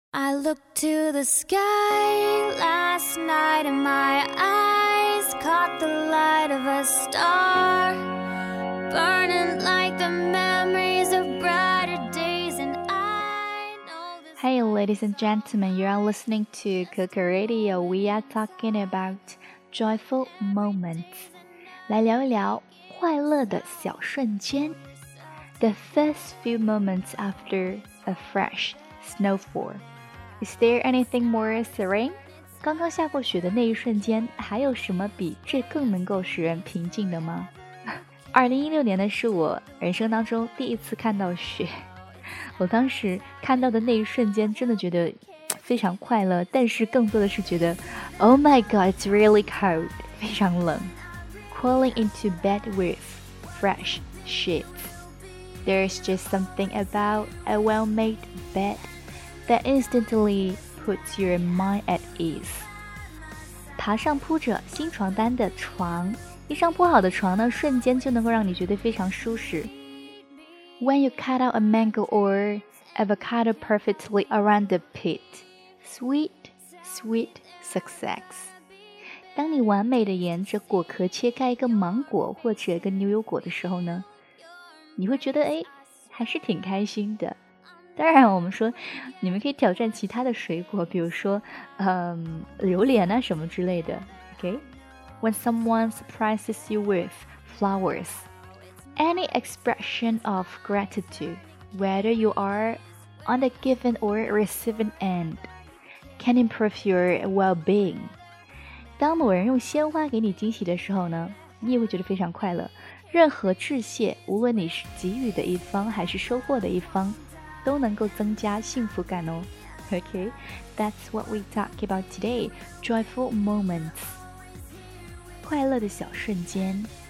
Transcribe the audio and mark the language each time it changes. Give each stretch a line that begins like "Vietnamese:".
English: I looked to the sky last night and my eyes caught the light of a star, burning like the memories of brighter days. And I know this. Hey, ladies and gentlemen, you are listening to Coco Radio. We are talking about joyful moments.
Chinese: 来聊一聊快乐的小瞬间。
English: The first few moments after a fresh snowfall. Is there anything more serene?
Chinese: 刚刚下过雪的那一瞬间，还有什么比这更能够使人平静的吗？ 2016年的是我人生当中第一次看到雪，我当时看到的那一瞬间真的觉得非常快乐，但是更多的是觉得
English: Oh my god, it's really cold,
Chinese: 非常冷。
English: Crawling into bed with fresh sheets, there's just something about a well-made bed that instantly puts your mind at ease.
Chinese: 爬上铺着新床单的床，一张铺好的床呢，瞬间就能够让你觉得非常舒适。
English: When you cut out a mango or avocado perfectly around the pit, sweet, sweet success.
Chinese: 当你完美的沿着果壳切开一个芒果或者一个牛油果的时候呢，你会觉得哎，还是挺开心的。当然我们说你们可以挑战其他的水果，比如说榴莲啊什么之类的。
English: OK, When someone surprises you with flowers, any expression of gratitude, whether you are on the giving or receiving end, can improve your well-being.
Chinese: 当某人用鲜花给你惊喜的时候呢，你也会觉得非常快乐。任何致谢，无论你是给予的一方还是收获的一方，都能够增加幸福感哦。
English: OK, that's what we talk about today, joyful moments,
Chinese: 快乐的小瞬间。